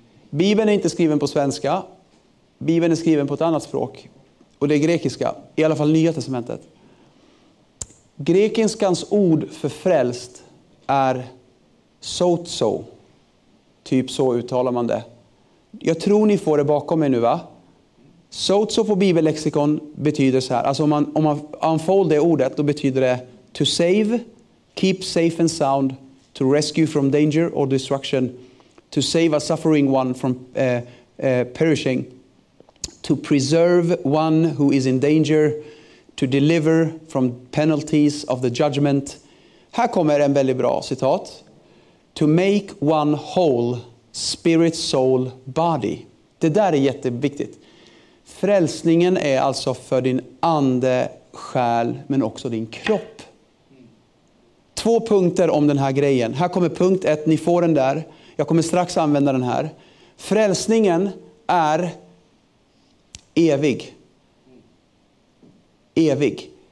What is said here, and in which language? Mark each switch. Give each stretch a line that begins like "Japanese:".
Swedish: Bibeln är inte skriven på svenska. Bibeln är skriven på ett annat språk. Och det är grekiska, i alla fall Nya testamentet. Grekiskans ord för frälst är... Sotso. Typ så uttalar man det. Jag tror ni får det bakom mig nu, va? Sotso på bibellexikon betyder så här. Alltså om man unfold det ordet, då betyder det
English: to save, keep safe and sound, to rescue from danger or destruction, to save a suffering one from perishing, to preserve one who is in danger, to deliver from penalties of the judgment.
Swedish: Här kommer en väldigt bra citat.
English: To make one whole, spirit, soul, body.
Swedish: Det där är jätteviktigt. Frälsningen är alltså för din ande, själ, men också din kropp. 2 punkter om den här grejen. Här kommer punkt 1, ni får den där. Jag kommer strax använda den här. Frälsningen är evig. Evig.